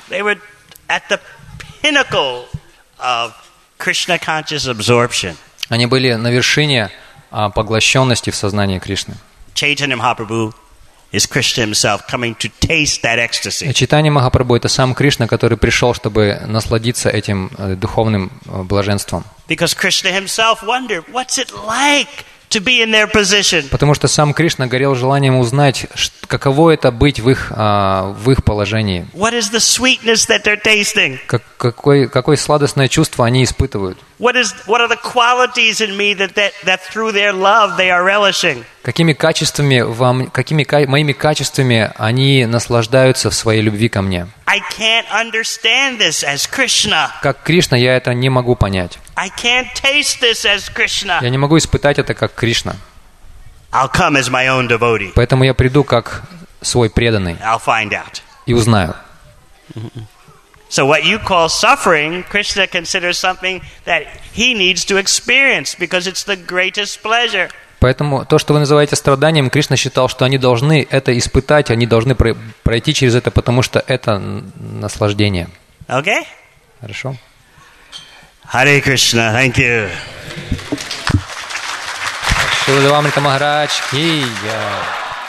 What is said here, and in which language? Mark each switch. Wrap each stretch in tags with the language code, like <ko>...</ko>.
<en>They were at the pinnacle of Krishna conscious absorption.</en> <ru>Они были на вершине поглощенности в сознании Кришны.</ru> <en>Chaitanya Mahaprabhu is Krishna himself coming to taste that ecstasy.</en> <ru>Chaitanya Mahaprabhu — это сам Кришна, который пришел, чтобы насладиться этим духовным блаженством.</ru> <en>Because Krishna himself wondered, what's it like to be in their position?</en> <ru>Потому что сам Кришна горел желанием узнать, каково это быть в их положении.</ru> <en>What is the sweetness that they're tasting?</en> <ru>Какое сладостное чувство они испытывают?</ru> <en>What are the qualities in me that through their love they are relishing?</en> <ru>Какими качествами они наслаждаются в своей любви ко мне?</ru> <en>I can't understand this as Krishna.</en> <ru>Как Кришна, я это не могу понять.</ru> <en>I can't taste this as Krishna.</en> <ru>Я не могу испытать это как Кришна.</ru> <en>I'll come as my own devotee.</en> <ru>Поэтому я приду как свой преданный.</ru> <en>I'll find out.</en> <ru>И узнаю.</ru> <en>So what you call suffering, Krishna considers something that he needs to experience because it's the greatest pleasure.</en> <ru>Поэтому то, что вы называете страданием, Кришна считал, что они должны это испытать, они должны пройти через это, потому что это наслаждение.</ru> <en>Okay.</en> <ru>Хорошо.</ru> <en>Hare Krishna, thank you.</en> <ru>Шрила Амрита Махарадж, Ки Джай.</ru>